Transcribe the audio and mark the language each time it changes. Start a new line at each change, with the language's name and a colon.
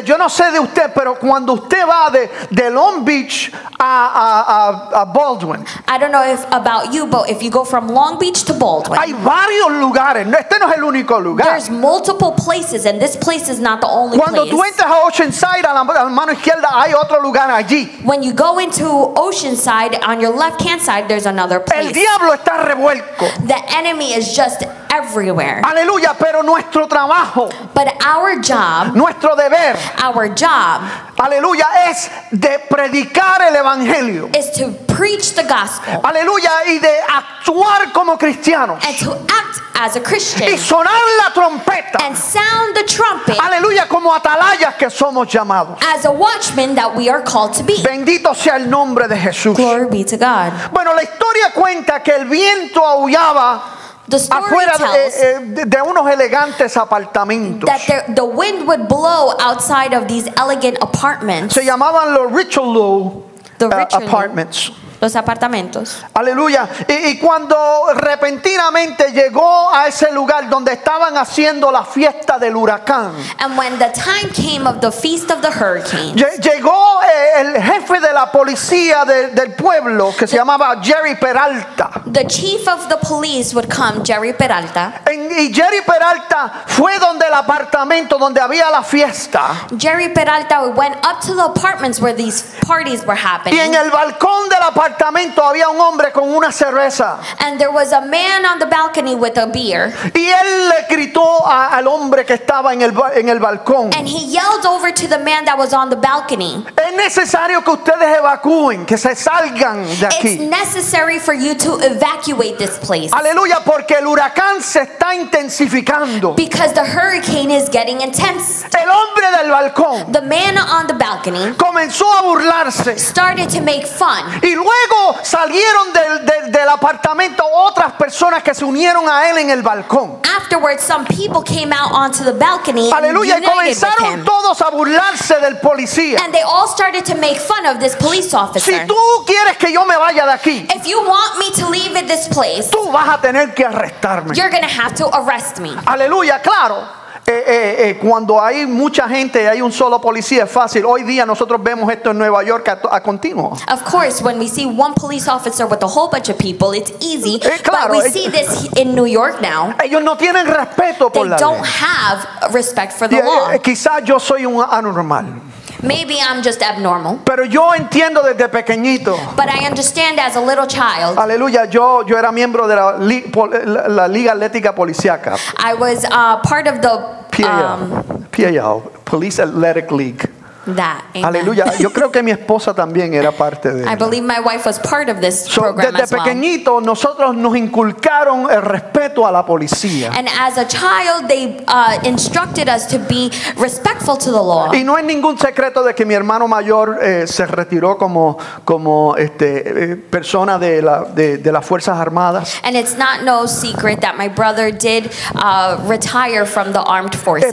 Spanish: Yo no sé de usted, pero cuando usted va de Long Beach a Baldwin,
English: I don't know if about you, but if you go from Long Beach to Baldwin,
Spanish: hay varios lugares. Este no es el único lugar.
English: There's multiple places, and this place is not the only
Spanish: cuando
English: place.
Spanish: Cuando tú entras a Oceanside, a la mano izquierda, hay otro lugar allí.
English: When you go into Oceanside, on your left hand side, there's another place.
Spanish: El diablo está revuelto.
English: The enemy is just everywhere.
Spanish: Aleluya. Pero nuestro trabajo,
English: but our job,
Spanish: nuestro deber,
English: our job,
Spanish: aleluya, es de predicar el evangelio,
English: is to preach the gospel,
Spanish: aleluya, y de actuar como cristianos,
English: and to act as a Christian,
Spanish: y sonar la trompeta,
English: and sound the trumpet,
Spanish: aleluya, como atalayas que somos llamados,
English: as a watchman that we are called to be.
Spanish: Bendito sea el nombre de Jesús.
English: Glory be to God.
Spanish: Bueno, la historia cuenta que el viento aullaba.
English: The story
Spanish: afuera
English: tells
Spanish: de unos elegantes apartamentos,
English: that the wind would blow outside of these elegant apartments.
Spanish: Se llamaban los Richelieu apartments. Los apartamentos. Aleluya. Y cuando repentinamente llegó a ese lugar donde estaban haciendo la fiesta del huracán,
English: and when the time came of the feast of the hurricanes,
Spanish: llegó el jefe de la policía del pueblo, que se llamaba Jerry Peralta.
English: The chief of the police would come, Jerry Peralta.
Spanish: Y Jerry Peralta fue donde el apartamento donde había la fiesta.
English: Jerry Peralta went up to the apartments where these parties were happening.
Spanish: Y en el balcón del apartamento había un hombre con una cerveza.
English: And there was a man on the balcony with a beer.
Spanish: Y él le gritó al hombre que estaba en el balcón.
English: And he yelled over to the man that was on the balcony.
Spanish: Es necesario que ustedes evacúen, que se salgan de aquí.
English: It's necessary for you to evacuate this place.
Spanish: Aleluya, porque el huracán se está intensificando.
English: Because the hurricane is getting intense.
Spanish: El hombre del balcón,
English: the man on the balcony,
Spanish: comenzó a burlarse.
English: Started to make fun.
Spanish: Y luego salieron del apartamento otras personas que se unieron a él en el balcón.
English: Afterwards, some people came out onto the balcony.
Spanish: Aleluya, y comenzaron todos a burlarse del policía.
English: And they all started to make fun of this police officer.
Spanish: Si tú quieres que yo me vaya de aquí,
English: if you want me to leave at this place,
Spanish: tú vas a tener que arrestarme.
English: You're gonna have to arrest me.
Spanish: Aleluya, claro. Cuando hay mucha gente y hay un solo policía, es fácil. Hoy día nosotros vemos esto en Nueva York a continuo.
English: Of course, when we see one police officer with a whole bunch of people, it's easy.
Spanish: Claro,
English: but we see this in New York now.
Spanish: Ellos no tienen respeto por la ley.
English: They don't have respect for the law.
Spanish: Quizás yo soy un anormal.
English: Maybe I'm just abnormal.
Spanish: Pero yo entiendo desde pequeñito.
English: But I understand as a little child.
Spanish: Aleluya, yo era miembro de la Liga Atlética Policiaca.
English: I was part of the PAL, Police Athletic League. That. Amen.
Spanish: Aleluya, yo creo que mi esposa también era parte de
English: I believe my wife was part of this program
Spanish: desde
English: as well.
Spanish: Pequeñito nosotros nos inculcaron. inculcaron el respeto a la policía.
English: And as a child, they instructed us to be respectful to the law.
Spanish: Y no hay ningún secreto de que mi hermano mayor se retiró como persona de las Fuerzas Armadas.
English: And it's not no secret that my brother did retire from the armed forces.